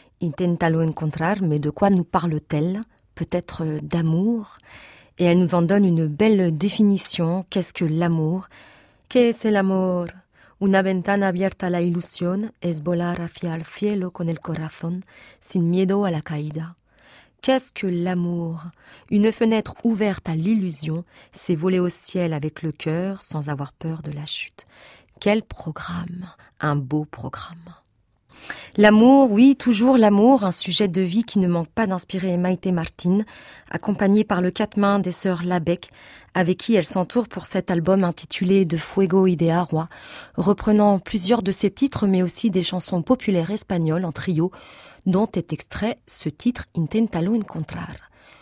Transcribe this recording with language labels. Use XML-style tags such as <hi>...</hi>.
<fr>Intentalo encontrar, mais de quoi nous parle-t-elle? Peut-être d'amour? Et elle nous en donne une belle définition. Qu'est-ce que l'amour?</fr> <es>¿Qué es el amor? Una ventana abierta a la ilusión es volar hacia el cielo con el corazón sin miedo a la caída.</es> <fr>Qu'est-ce que l'amour? Une fenêtre ouverte à l'illusion, c'est voler au ciel avec le cœur sans avoir peur de la chute. Quel programme, un beau programme. L'amour, oui, toujours l'amour, un sujet de vie qui ne manque pas d'inspirer Maite Martín, accompagnée par le quatre-mains des sœurs Labec, avec qui elle s'entoure pour cet album intitulé « De Fuego y de Agua », reprenant plusieurs de ses titres, mais aussi des chansons populaires espagnoles en trio, dont est extrait ce titre « Inténtalo encontrar ».</fr>